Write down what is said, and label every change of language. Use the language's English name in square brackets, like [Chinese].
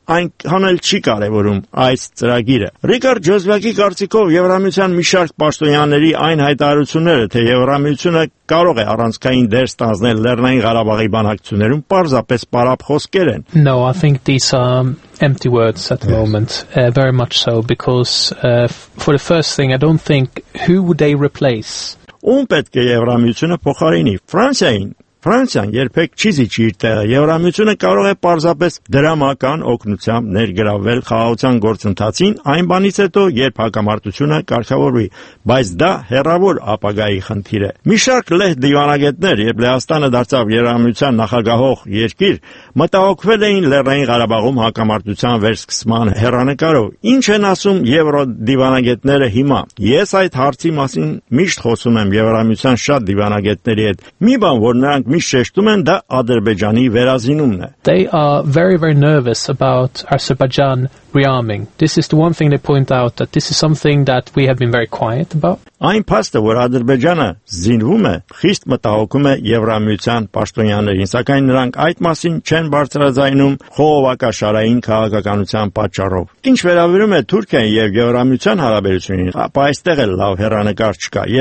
[Armenian] այն հանել չի կարևորում այս ծրագիրը։ Ռիկարդ Ջոզվակի կարծիքով Եվրամիության մի շարք պաշտոնյաների այն հայտարարությունները, թե Եվրամիությունը կարող է առանցքային դեր ստանձնել Լեռնային Ղարաբաղի բանակցություններում, պարզապես պարապ խոսքեր են։ [English] No, I think these are empty words at the moment. Very much so, because for the first thing, I don't think who would they replace? [Armenian] Ում պետք է Եվրամիությունը փոխարինի, Ֆրանսիային։ Ֆրանսիան երբեք չի զիջի իր տեղը, Եվրամիությունը կարող է պարզապես դրամական օգնությամբ ներգրավել խաղաղության գործընթացին, այն բանից հետո, երբ հակամարտությունը կարգավորվի, բայց դա հեռավոր ապագայի խնդիր է։ Մի շարք լեհ դիվանագետներ, երբ Լեհաստանը դարձավ Եվրամիության նախագահող երկիր, մտահոգվել էին Լեռնային Ղարաբաղում հակամարտության վերսկսման հեռանկարով։ Ինչ են ասում եվրոդիվանագետները հիմա։ Ես այդ հարցի մասին միշտ խոսում եմ Եվրամիության շատ դիվանագետների հետ։ Մի բան, որ նրանք միշտ շեշտում են, դա Ադրբեջանի վերազինումն է։ [English] They are very, very nervous about Azerbaijan rearming. This is the one thing they point out, that this is something that we have been very quiet about. [Armenian] Այն փաստը, որ Ադրբեջանը զինվում է, խիստ մտահոգում է Եվրամիության պաշտոնյաներին, սակայն նրանք այդ մասին չեն բարձրաձայնում խողովակաշարային քաղաքականության պատճառով։ Ինչ վերաբերում է Թուրքիան և Եվրամիության հարաբերություններին, ապա այստեղ էլ լավ հեռանկար չկա։